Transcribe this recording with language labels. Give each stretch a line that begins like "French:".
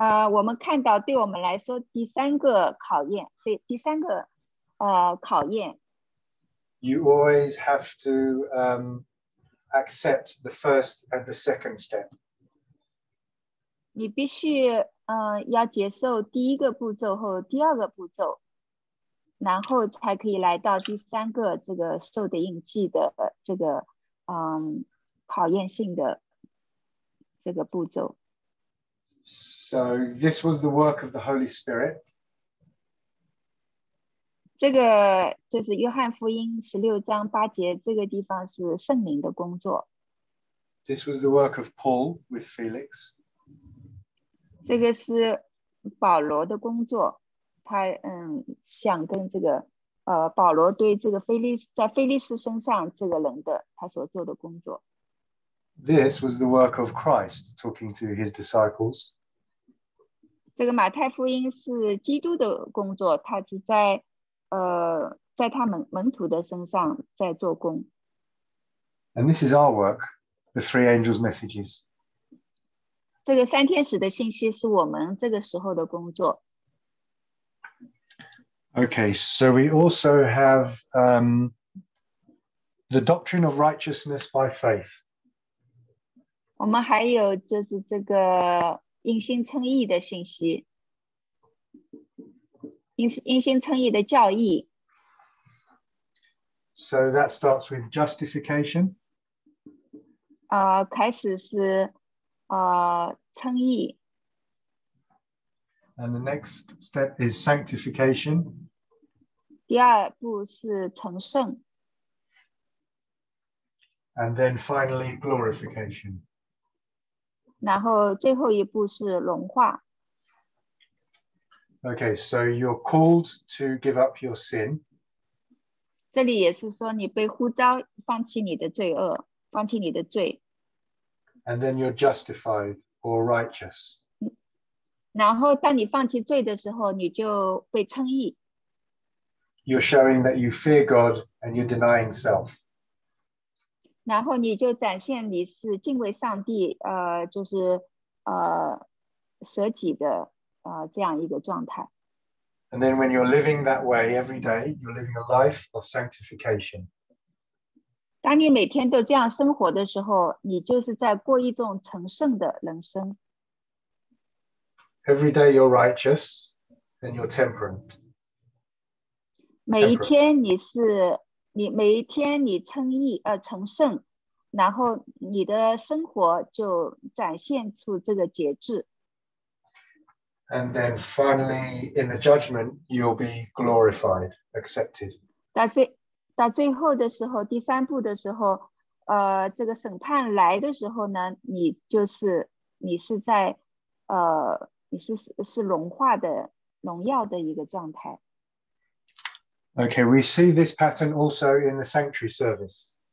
Chinese: 我们看到对我们来说第三个考验，对第三个考验。
English: You always have to accept the first and the second step.
Chinese: 你必须要接受第一个步骤和第二个步骤，然后才可以来到第三个这个受的印记的这个考验性的这个步骤。
English: So this was the work of the Holy Spirit.
Chinese: 这个就是约翰福音十六章八节这个地方是圣灵的工作。
English: This was the work of Paul with Felix.
Chinese: 这个是保罗的工作，他想跟这个保罗对这个菲利斯身上这个人的他所做的工作。
English: This was the work of Christ talking to his disciples.
Chinese: 这个马太福音是基督的工作，他是在在他门徒的身上在做工。
English: And this is our work, the three angels' messages.
Chinese: 这个三天使的信息是我们这个时候的工作。
English: Okay, so we also have the doctrine of righteousness by faith.
Chinese: 我们还有就是这个因信称义的信息。因信称义的教义。
English: So that starts with justification.
Chinese: 开始是称义。
English: And the next step is sanctification.
Chinese: 第二步是成圣。
English: And then finally glorification.
Chinese: 然后最后一步是荣化。
English: Okay, so you're called to give up your sin.
Chinese: 这里也是说你被呼召放弃你的罪恶，放弃你的罪。
English: And then you're justified or righteous.
Chinese: 然后当你放弃罪的时候，你就被称义。
English: You're showing that you fear God and you're denying self.
Chinese: 然后你就展现你是敬畏上帝，就是舍己的。这样一个状态。
English: And then when you're living that way every day, you're living a life of sanctification.
Chinese: 当你每天都这样生活的时候，你就是在过一种成圣的人生。
English: Every day you're righteous and you're temperate.
Chinese: 每一天你是，你每一天你称义，成圣，然后你的生活就展现出这个节制。
English: And then finally, in the judgment, you'll be glorified, accepted.
Chinese: 到最后的时候，第三步的时候，这个审判来的时候呢，你就是，你是在，你是荣化的，荣耀的一个状态。
English: Okay, we see this pattern also in the sanctuary service.